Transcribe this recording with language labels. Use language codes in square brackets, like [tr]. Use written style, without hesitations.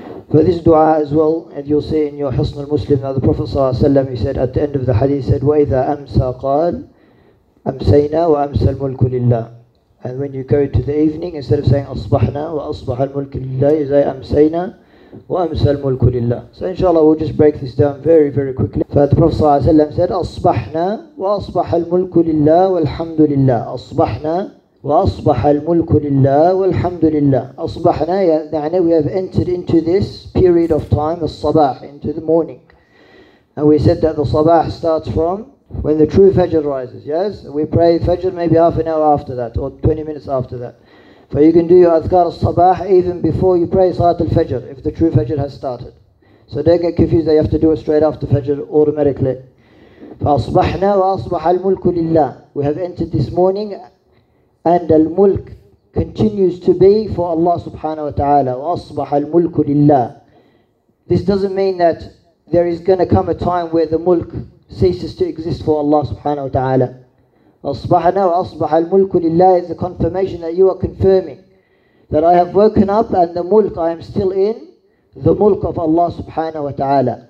[en] For this dua as well, and you'll see in your Hisn al-Muslim that the Prophet [ar] صلى الله عليه وسلم, [en] he said at the end of the hadith, he said, [ar] وَإِذَا أَمْسَى قَالْ أَمْسَيْنَا وَأَمْسَى الْمُلْكُ لِلَّهِ. [en] And when you go to the evening, instead of saying [ar] أَصْبَحْنَا وَأَصْبَحَ الْمُلْكُ لِلَّهِ, [en] you say [ar] أَمْسَيْنَا وَأَمْسَى الْمُلْكُ لِلَّهِ. [en] So inshallah, we'll just break this down very, very quickly. For the Prophet [ar] صلى الله عليه وسلم [en] said, [ar] أَصْبَحْنَا وَأَصْبَحَ الْمُلْكُ لِلَّهِ وَالْحَمْدُ لِلَّهِ. أَصْبَحْنَا وأصبح الملك لله والحمد لله. أصبحنا يعني [en] we have entered into this period of time, الصباح, into the morning. And we said that the صباح starts from when the true Fajr rises, yes? We pray Fajr maybe half an hour after that or 20 minutes after that. For you can do your Adhkar al-Sabah even before you pray Salat al-Fajr if the true Fajr has started. So don't get confused that you have to do it straight after Fajr automatically. [ar] فأصبحنا وأصبح الملك لله. [en] We have entered this morning and al-mulk continues to be for Allah subhanahu wa ta'ala. [ar] وَأَصْبَحَ الْمُلْكُ لِلَّهِ. [en] This doesn't mean that there is going to come a time where the mulk ceases to exist for Allah subhanahu wa ta'ala. [ar] أَصْبَحَنَا وَأَصْبَحَ الْمُلْكُ لِلَّهِ [en] is the confirmation that you are confirming that I have woken up and the mulk, I am still in the mulk of Allah subhanahu wa ta'ala.